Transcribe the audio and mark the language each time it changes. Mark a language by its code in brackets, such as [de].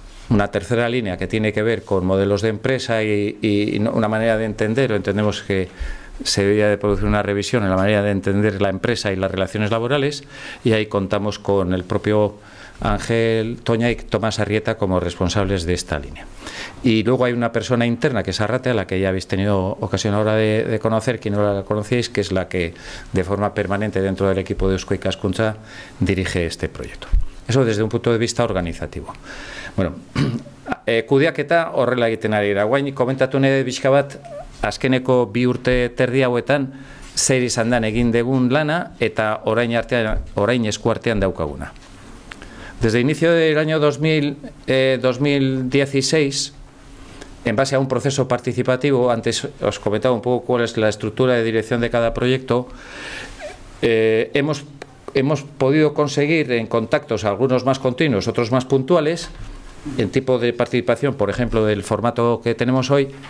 [es] una tercera línea que tiene que ver con modelos de empresa y una manera de entender, o entendemos que se debería de producir una revisión en la manera de entender la empresa y las relaciones laborales, y ahí contamos con el propio Ángel Toña y Tomás Arrieta como responsables de esta línea. Y luego hay una persona interna, que es Arrate, a la que ya habéis tenido ocasión ahora de conocer, quien no la conocíais, que es la que de forma permanente dentro del equipo de Eusko Ikaskuntza dirige este proyecto. Eso desde un punto de vista organizativo. [eu] Bueno, kudeaketa horrela egiten ari da. Guain, komentatu nahi pixka bat, azkeneko bi urte terdi hauetan, zer izan den egin degun lana, eta orain artean, orain eskuartean daukaguna. [es] Desde inicio del año 2016, en base a un proceso participativo, antes os comentaba un poco cuál es la estructura de dirección de cada proyecto, hemos podido conseguir en contactos algunos más continuos, otros más puntuales, en tipo de participación, por ejemplo, del formato que tenemos hoy,